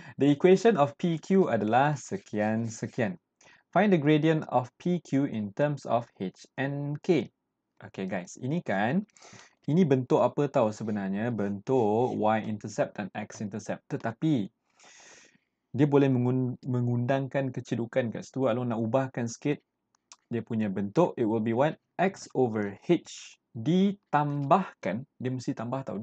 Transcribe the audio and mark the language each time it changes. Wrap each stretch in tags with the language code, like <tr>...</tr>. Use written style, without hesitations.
<en>The equation of PQ</en> <ms>adalah sekian-sekian.</ms> <en>Find the gradient of PQ in terms of H and K.</en> <ms>Okay, guys. Ini kan... Ini bentuk apa tau sebenarnya? Bentuk Y-intercept dan X-intercept. Tetapi... Dia boleh mengundangkan kecedukan kat situ. Along nak ubahkan sikit dia punya bentuk.</ms> <en>It will be what?</en> <ms>X over H ditambahkan. Dia mesti tambah tau.</ms>